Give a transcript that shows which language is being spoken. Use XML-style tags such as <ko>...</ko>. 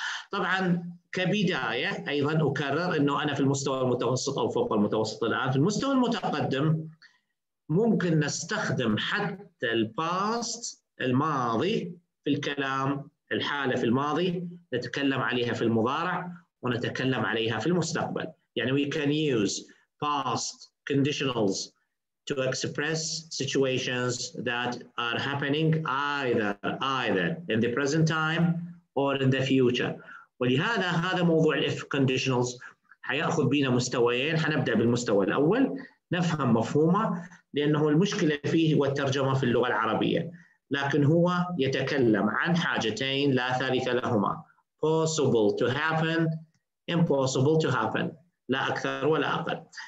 <ar>طبعاً كبداية أيضاً أكرر أنه أنا في المستوى المتوسط أو فوق المتوسط الآن. في المستوى المتقدم ممكن نستخدم حتى الباست الماضي في الكلام، الحالة في الماضي نتكلم عليها في المضارع ونتكلم عليها في المستقبل. يعني</ar> <en>we can use past conditionals to express situations that are happening either in the present time or in the future.</en> <ar>ولهذا هذا موضوع الـ if conditionals حيأخذ بينا مستويين. حنبدأ بالمستوى الأول نفهم مفهومه، لأنه المشكلة فيه هو الترجمة في اللغة العربية، لكن هو يتكلم عن حاجتين لا ثالث لهما:</ar> <en>possible to happen, impossible to happen،</en> <ar>لا أكثر ولا أقل.</ar>